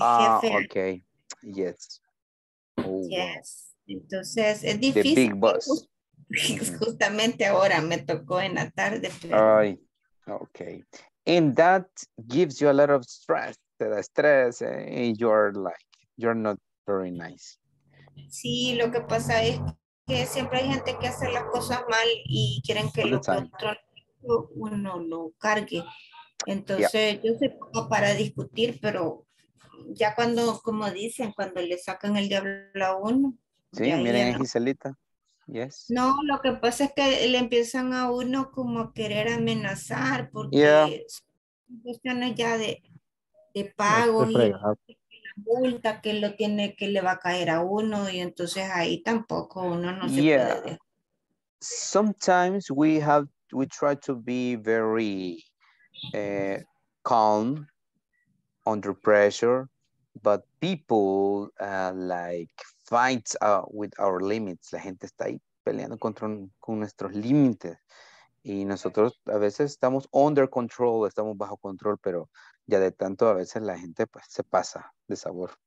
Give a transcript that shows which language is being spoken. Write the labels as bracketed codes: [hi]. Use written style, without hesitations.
[en] Ah, okay. Yes. [es] Oh, yes. Entonces, es difícil. [en] The big boss. [es] Justamente ahora me tocó en la tarde. [en] Okay. And that gives you a lot of stress. The stress, and you're not very nice. [es] Sí, lo que pasa es que siempre hay gente que hace las cosas mal y quieren que lo controle, uno lo cargue. Entonces, yeah. Yo se pongo para discutir, pero ya cuando, como dicen, cuando le sacan el diablo a uno. Sí, miren, Giselita. Yes. No, lo que pasa es que le empiezan a uno como a querer amenazar porque son cuestiones ya de pago y la multa que lo tiene que le va a caer a uno y entonces ahí tampoco uno no se puede dejar. [en] Sometimes we try to be very calm under pressure, but people like fights with our limits. [es] La gente está ahí peleando con nuestros límites. Y nosotros a veces estamos [en] under control, [es] estamos bajo control, pero ya de tanto a veces la gente pues se pasa de sabor.